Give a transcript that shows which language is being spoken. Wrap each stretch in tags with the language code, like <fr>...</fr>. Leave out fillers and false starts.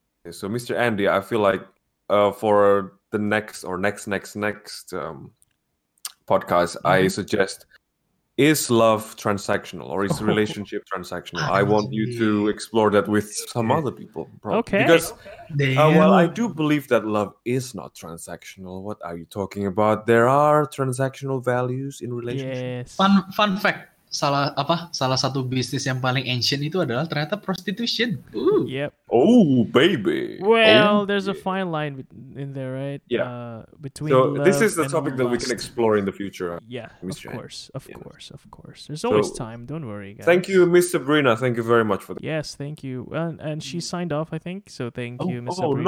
<en>So Mr. Andy, I feel like for the next podcast, I suggest, is love transactional or is relationship transactional? I want you to explore that with some other people. Probably. Okay. Because, I do believe that love is not transactional. What are you talking about? There are transactional values in relationships. Yes. Fun fact,</en> <id>salah satu bisnis yang paling ancient itu adalah ternyata prostitution.</id> <en>Ooh. Yep. Oh, baby. Well, there's a fine line in there, right? Yeah. Between love and lust. So this is the topic that we can explore in the future. Yeah, of course. There's always time. Don't worry, guys. Thank you, Miss Sabrina. Thank you very much for that. Yes, thank you. And she signed off, I think. So thank you, Miss Sabrina.</en>